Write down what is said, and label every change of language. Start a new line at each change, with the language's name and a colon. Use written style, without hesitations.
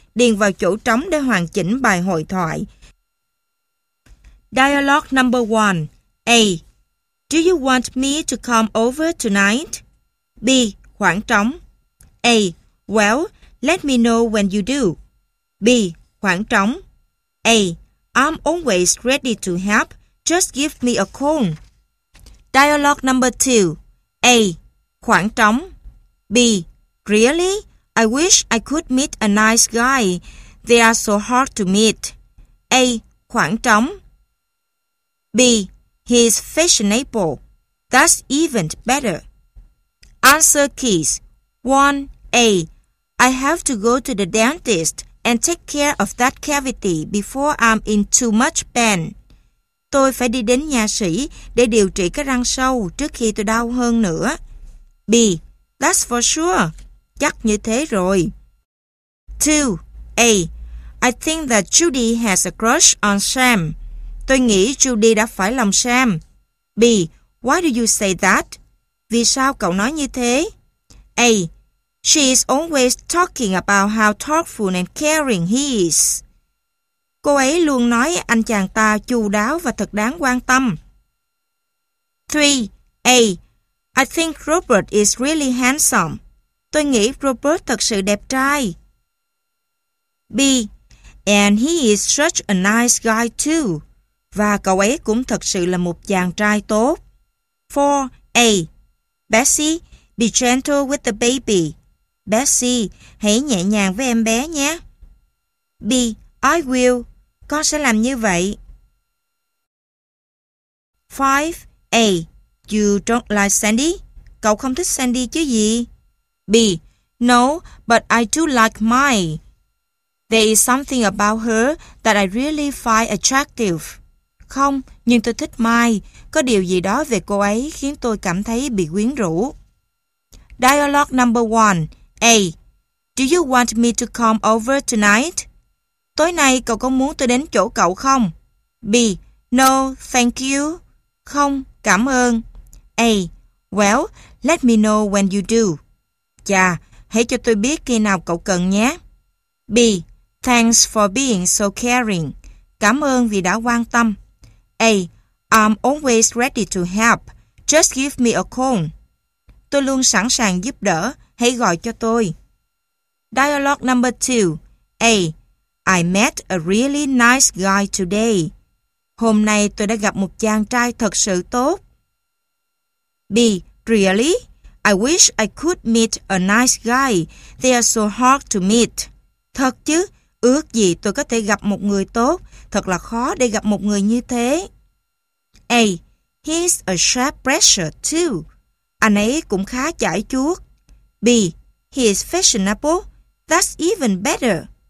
Vietnamese: Điền vào chỗ trống để hoàn chỉnh bài hội thoại.
English: Dialogue number 1. A. Do you want me to come over tonight?
Vietnamese: B. Khoảng trống.
English: A. Well, let me know when you do.
Vietnamese: B. Khoảng trống.
English: A. I'm always ready to help. Just give me a call. Dialogue number 2.
Vietnamese: A. Khoảng trống.
English: B. Really? I wish I could meet a nice guy. They are so hard to meet.
Vietnamese: A. Khoảng trống.
English: B. He's fashionable. That's even better. Answer keys. 1. A. I have to go to the dentist and take care of that cavity before I'm in too much pain.
Vietnamese: Tôi phải đi đến nha sĩ để điều trị cái răng sâu trước khi tôi đau hơn nữa.
English: B. That's for sure.
Vietnamese: Chắc như thế rồi.
English: 2. A. I think that Judy has a crush on Sam.
Vietnamese: Tôi nghĩ Judy đã phải lòng Sam.
English: B. Why do you say that?
Vietnamese: Vì sao cậu nói như thế?
English: A. She is always talking about how thoughtful and caring he is.
Vietnamese: Cô ấy luôn nói anh chàng ta chu đáo và thật đáng quan tâm.
English: 3. A. I think Robert is really handsome.
Vietnamese: Tôi nghĩ Robert thật sự đẹp trai.
English: B. And he is such a nice guy too.
Vietnamese: Và cậu ấy cũng thật sự là một chàng trai tốt.
English: 4. A. Bessie, be gentle with the baby.
Vietnamese: Bessie, hãy nhẹ nhàng với em bé nhé.
English: B. I will.
Vietnamese: Con sẽ làm như vậy.
English: 5. A. You don't like Sandy?
Vietnamese: Cậu không thích Sandy chứ gì?
English: B. No, but I do like mine. There is something about her that I really find attractive.
Vietnamese: Không, nhưng tôi thích Mai. Có điều gì đó về cô ấy khiến tôi cảm thấy bị quyến rũ.
English: Dialogue number 1. A. Do you want me to come over tonight?
Vietnamese: Tối nay cậu có muốn tôi đến chỗ cậu không?
English: B. No, thank you.
Vietnamese: Không, cảm ơn.
English: A. Well, let me know when you do.
Vietnamese: Chà, hãy cho tôi biết khi nào cậu cần nhé.
English: B. Thanks for being so caring.
Vietnamese: Cảm ơn vì đã quan tâm.
English: A. I'm always ready to help. Just give me a call.
Vietnamese: Tôi luôn sẵn sàng giúp đỡ. Hãy gọi cho tôi.
English: Dialogue number 2. A. I met a really nice guy today.
Vietnamese: Hôm nay tôi đã gặp một chàng trai thật sự tốt.
English: B. Really? I wish I could meet a nice guy. They are so hard to meet.
Vietnamese: Thật chứ? Ước gì tôi có thể gặp một người tốt. Thật là khó để gặp một người như thế.
English: A. He's a sharp pressure too.
Vietnamese: Anh ấy cũng khá chải chuốt.
English: B. He is fashionable. That's even better.